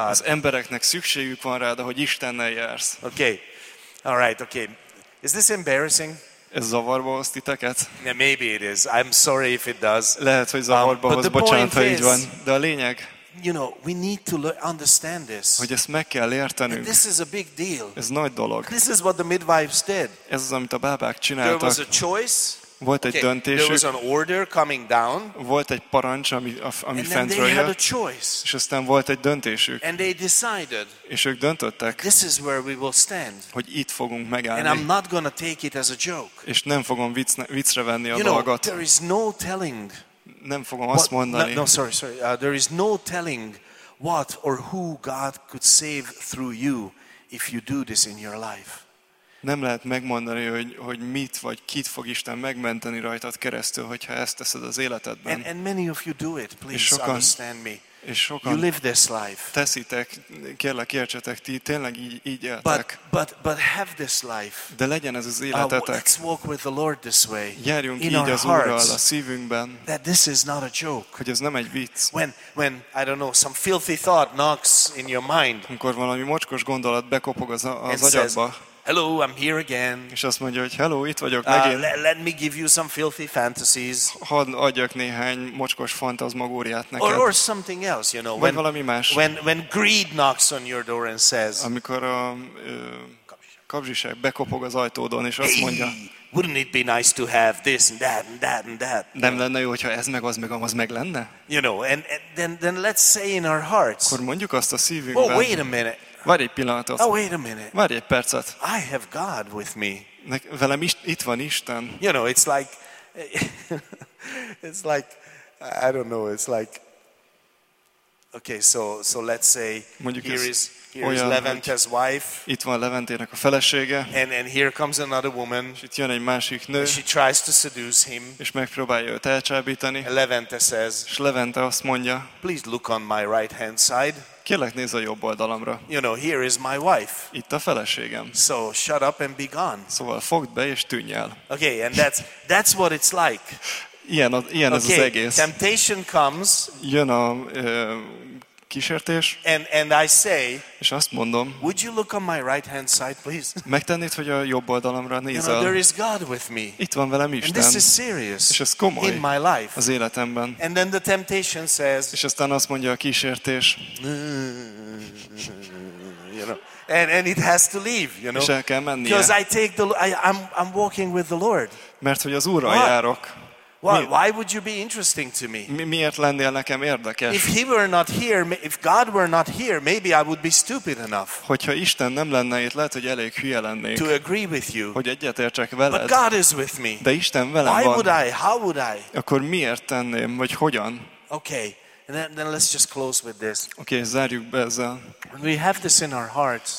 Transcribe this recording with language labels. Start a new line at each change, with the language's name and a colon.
Hungarian: Az embereknek szükségük van rád, hogy Istennel jársz.
English: Okay. All right, okay. Is this embarrassing?
Hungarian: Ez zavarba hoz titeket?
English: Yeah, maybe it is. I'm sorry if it does.
Hungarian: Lehet, hogy zavarba hoz, bocsánat, ha így van. De a lényeg.
English: you know, we need to understand this.
Hungarian: Hogy ezt meg kell értenünk.
English: And this is a big deal.
Hungarian: Ez nagy dolog.
English: This is what the midwives did.
Hungarian: Ez az, amit a bábák csináltak.
English: There was a choice.
Hungarian: Volt egy döntésük.
English: There was an order coming down.
Hungarian: Volt egy parancs, ami fentről jött.
English: And they had a choice.
Hungarian: És aztán volt egy döntésük.
English: And they decided.
Hungarian: És ők döntöttek.
English: This is where we will stand.
Hungarian: Hogy itt fogunk megállni.
English: And I'm not going to take it as a joke.
Hungarian: És nem fogom viccre venni a
English: you know,
Hungarian: dolgot.
English: There is no telling.
Hungarian: Nem fogom azt mondani.
English: No, sorry. There is no telling what or who God could save through you if you do this in your life.
Hungarian: Nem lehet megmondani, hogy mit vagy kit fog Isten megmenteni rajtad keresztül, hogyha ezt teszed az életedben.
English: And many of you do it, please understand me.
Hungarian: És sokan
English: you live this life.
Hungarian: Teszitek, kérlek értsetek, ti tényleg így éltek.
English: But have this life.
Hungarian: De legyen ez az életetek.
English: Let's walk with the Lord this way.
Hungarian: Járjunk így az Úrral a szívünkben.
English: That this is not a joke.
Hungarian: Hogy ez nem egy vicc.
English: When I don't know, some filthy thought knocks in your mind.
Hungarian: Amikor valami mocskos gondolat bekopog az agyadba.
English: Hello, I'm here again.
Hungarian: És azt mondja, hogy hello, itt vagyok megint.
English: Let me give you some filthy fantasies.
Hungarian: Hadd adjak néhány mocskos fantazmagóriát neked.
English: Or something else, you know.
Hungarian: Vagy valami más.
English: When greed knocks on your door and says.
Hungarian: Amikor a kapzsiság bekopog az ajtódon és azt mondja.
English: Wouldn't it be nice to have this and that and that and that?
Hungarian: Nem lenne jó, hogyha ez meg az meg amaz meg lenne?
English: You know, and then let's say in our hearts.
Hungarian: Akkor mondjuk azt a szívünkben.
English: Oh, wait a minute.
Hungarian: Várj egy pillanatot.
English: Oh, wait a minute.
Hungarian: Várj egy percet.
English: I have God with me.
Hungarian: Velem itt van Isten.
English: You know, it's like I don't know, it's like okay, so let's say
Hungarian: mondjuk
English: here is Levente's wife.
Hungarian: Itt van Leventének a felesége.
English: And here comes another woman.
Hungarian: És itt jön egy másik nő.
English: She tries to seduce him.
Hungarian: És megpróbálja őt elcsábítani.
English: Levente says.
Hungarian: És Levente azt mondja.
English: Please look on my right hand side.
Hungarian: Kérlek, nézz a jobb oldalamra.
English: You know, here is my wife.
Hungarian: Itt a feleségem.
English: So shut up and be gone.
Hungarian: Szóval fogd be és tűnj el.
English: Okay, and that's what it's like.
Hungarian: Ilyen
English: okay,
Hungarian: ez az egész.
English: Temptation comes.
Hungarian: Jön a kísértés.
English: And I say.
Hungarian: És azt mondom.
English: Would you look on my right hand side, please?
Hungarian: Megtennéd, hogy a jobb oldalamra nézel.
English: You know, there is God with me.
Hungarian: Itt van velem Isten.
English: And this is serious.
Hungarian: És ez komoly.
English: In my life.
Hungarian: Az életemben.
English: And then the temptation says.
Hungarian: És aztán azt mondja a kísértés.
English: You know. And it has to leave, you know.
Hungarian: És el kell mennie.
English: Because I take the I'm walking with the Lord.
Hungarian: Mert hogy az Úrral járok.
English: Why would you be interesting to me?
Hungarian: Miért lennél nekem érdekes?
English: If he were not here, if God were not here, maybe I would be stupid enough.
Hungarian: Hogyha Isten nem lenne itt, lehet, hogy elég hülye lennék.
English: To agree with you.
Hungarian: Hogy egyetértsek veled.
English: But God is with me.
Hungarian: De Isten velem
English: why
Hungarian: van.
English: Why would I? How would I?
Hungarian: Akkor miért tenném, vagy hogyan?
English: Okay. And then let's just close with this.
Hungarian: Okay, zárjuk be ezzel.
English: We have this in our hearts.